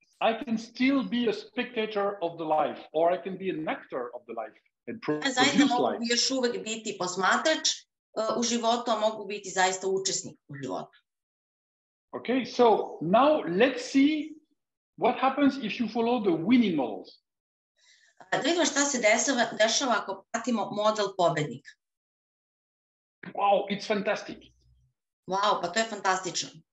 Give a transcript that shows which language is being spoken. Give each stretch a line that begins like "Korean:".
English: I can still be a spectator of the life, or I can be an actor of the life and produce life.
Serbian: Zaista mogu još uvek biti posmatrač u životu, a mogu biti zaista učesnik u životu.
English: Okay, so now let's see what happens if you follow the winning models.
Serbian: Da vidimo šta se dešava ako pratimo model pobednika.
English: Wow, it's fantastic.
Serbian: Wow, pa to je fantastično.